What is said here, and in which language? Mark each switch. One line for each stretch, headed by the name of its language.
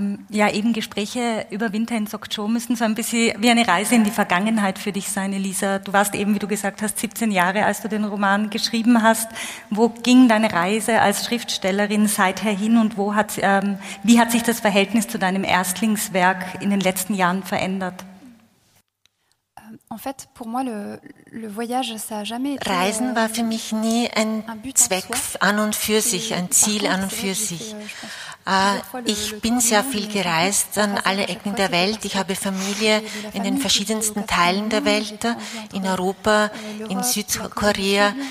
German: Ja, eben Gespräche über Winter in Sokcho müssen so ein bisschen wie eine Reise in die Vergangenheit für dich sein, Elisa. Du warst eben, wie du gesagt hast, 17 Jahre, als du den Roman geschrieben hast. Wo ging deine Reise als Schriftstellerin seither hin und wie hat sich das Verhältnis zu deinem Erstlingswerk in den letzten Jahren verändert?
French: En fait, pour moi, le voyage, ça a jamais été,
German: Reisen war für mich nie ein Zweck an und für sich, ein Ziel an und für sich. Ich bin sehr viel gereist an alle Ecken der Welt. Ich habe Familie in den verschiedensten Teilen der Welt, in Europa, in Südkorea.